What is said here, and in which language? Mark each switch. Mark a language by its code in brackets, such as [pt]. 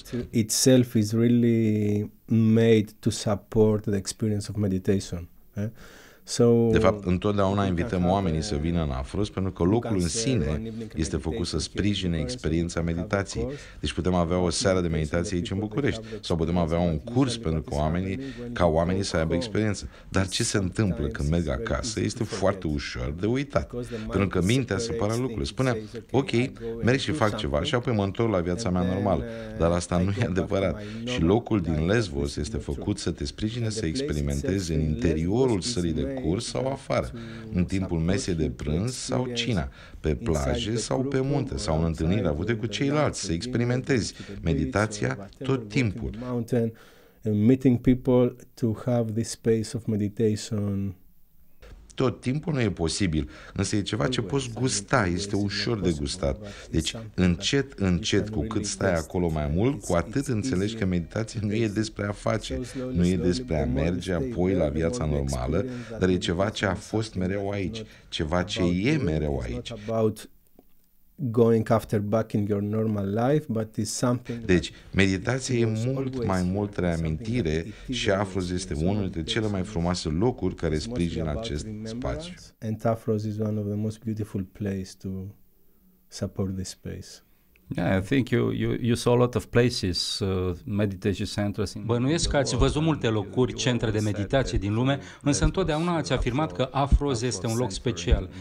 [en] Itself is really made to support the experience of meditation. [ro] So, de fapt, întotdeauna invităm oamenii să vină în Afros pentru că locul în sine este făcut să sprijine experiența meditației. Deci putem avea o seară de meditație aici în București sau putem avea un curs pentru că oamenii, ca oamenii să aibă experiență. Dar ce se întâmplă când merg acasă este foarte ușor de uitat. Pentru că mintea separă lucrurile. Spune, ok, merg și fac ceva și apoi mă întorc la viața mea normală. Dar asta nu e adevărat. Și locul din Lesbos este făcut să te sprijine să experimentezi în interiorul sării de curs sau afară, în timpul mesei de prânz sau cina, pe plaje sau pe munte, sau în întâlniri avute cu ceilalți, să experimentezi meditația tot timpul. [en] Meeting people to have this space of meditation. [ro] Tot timpul nu e posibil, însă e ceva ce poți gusta, este ușor de gustat. Deci încet, încet, cu cât stai acolo mai mult, cu atât înțelegi că meditația nu e despre a face, nu e despre a merge apoi la viața normală, dar e ceva ce a fost mereu aici, ceva ce e mereu aici. [en] Going after back in your normal life, but it's something. [ro] Deci, meditația e mult mai mult reamintire și Afros este unul dintre cele mai frumoase locuri care sprijină acest spațiu. [en] And Afros is one of the most beautiful places to support this space. Yeah, I think you saw a lot of places, meditation centers. [ro] Bănuiesc că ați văzut multe locuri, centre de meditație din lume, însă întotdeauna ați afirmat că Afros este un loc special.